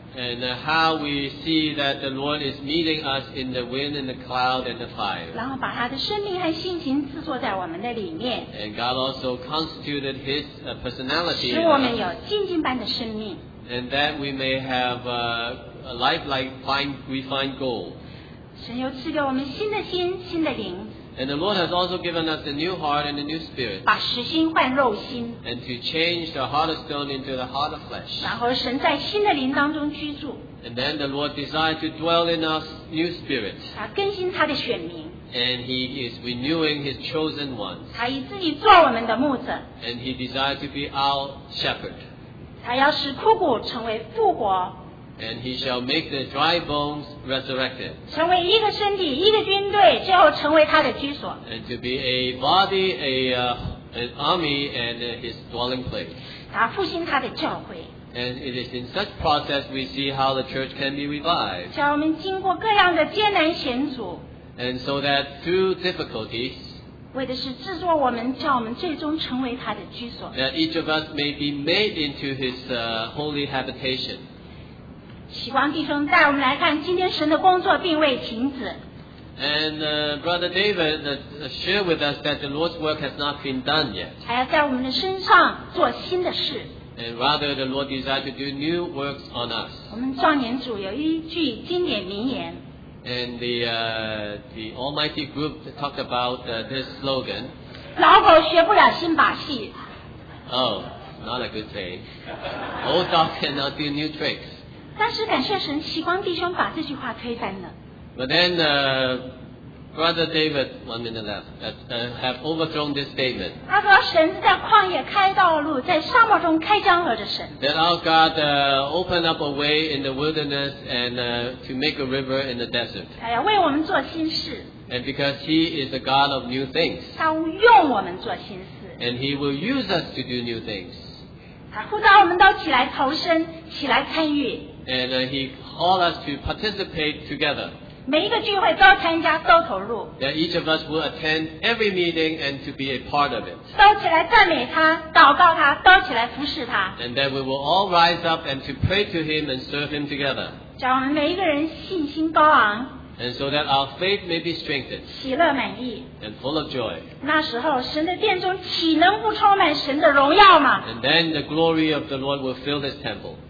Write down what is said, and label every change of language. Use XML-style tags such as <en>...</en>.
<en>And how we see that the Lord is meeting us in the wind and the cloud and the fire.</en> <zh>然后把他的生命和性情制作在我们的里面。</zh> <en>And God also constituted His personality.</en> <zh>使我们有金金般的生命。</zh> <en>And that we may have a life like fine refined gold.</en> <zh>神又赐给我们新的心、新的灵。</zh> <en>And the Lord has also given us a new heart and a new spirit.</en> <zh>把石心换肉心。</zh> <en>And to change the heart of stone into the heart of flesh.</en> <zh>然后神在新的灵当中居住。</zh> <en>And then the Lord desired to dwell in us new spirit.</en> <zh>他更新他的选民。</zh> <en>And he is renewing his chosen ones.</en> <zh>他以自己做我们的牧者。</zh> <en>And he desired to be our shepherd.</en> <zh>他要使枯骨成为复活。</zh> <en>And he shall make the dry bones resurrected.</en> <zh>成为一个身体，一个军队，最后成为他的居所。</zh> <en>And to be a body, an army, and his dwelling place.</en> <zh>他复兴他的教会。</zh> <en>And it is in such process we see how the church can be revived.</en> <zh>叫我们经过各样的艰难险阻。</zh> <en>And so that through difficulties.</en> <zh>为的是制作我们，叫我们最终成为他的居所。</zh> <en>That each of us may be made into his holy habitation.</en> <zh>希望弟兄带我们来看今天神的工作并未停止。</zh> <en>And Brother David shared with us that the Lord's work has not been done yet.</en> <zh>还要在我们的身上做新的事。</zh> <en>And rather the Lord desired to do new works on us.</en> <zh>我们壮年组有一句经典名言。</zh> <en>And the Almighty group talked about this slogan.</en> <zh>老狗学不了新把戏。</zh> <en>Oh, not a good thing. Old dog cannot do new tricks.</en> <zh>但是感谢神，奇光弟兄把这句话推翻了。</zh> <en>But then, Brother David, 1 minute left, have overthrown this statement.</en> <zh>他说神是在旷野开道路，在沙漠中开江河的神。</zh> <en>That our God opened up a way in the wilderness and to make a river in the desert.</en> <zh>他要为我们做新事。</zh> <en>And because He is the God of new things.</en> <zh>他用我们做新事。</zh> <en>And He will use us to do new things.</en> <zh>他呼召我们都起来投身，起来参与。</zh> <en>And he called us to participate together.</en> <zh>每一个聚会都参加，都投入。</zh> <en>That each of us will attend every meeting and to be a part of it.</en> <zh>都起来赞美他，祷告他，都起来服侍他。</zh> <en>And that we will all rise up and to pray to him and serve him together.</en> <zh>叫我们每一个人信心高昂。</zh> <en>And so that our faith may be strengthened.</en> <zh>喜乐满意。</zh> <en>And full of joy.</en> <zh>那时候，神的殿中岂能不充满神的荣耀吗？</zh> <en>And then the glory of the Lord will fill his temple.</en>